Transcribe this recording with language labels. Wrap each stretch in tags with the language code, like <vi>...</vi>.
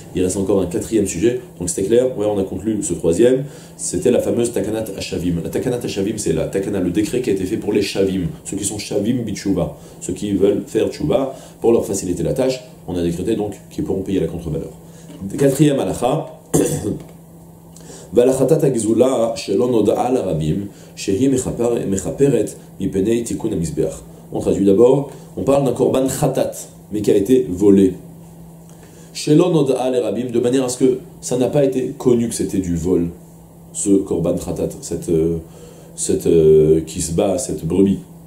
<fr>Il reste encore un quatrième sujet, donc c'était clair. Ouais, on a conclu ce troisième. C'était la fameuse takanat hashavim. La takanat hashavim, c'est la takana, le décret qui a été fait pour les shavim, ceux qui sont shavim bitchouba, ceux qui veulent faire tchouba, pour leur faciliter la tâche. On a décrété donc qu'ils pourront payer la contre-valeur. Quatrième halakha.</fr> <he>ולחטאת הגזולה שלא נודעה לרבים שהיא מחפרת מפני תיקון המזבח.</he> <fr>On traduit d'abord, on parle d'un corban chatat, mais qui a été volé. שלא נודעה לרבים, de manière à ce que ça n'a pas été connu que c'était du vol, ce corban chatat, cette kisba, cette brebis.</fr>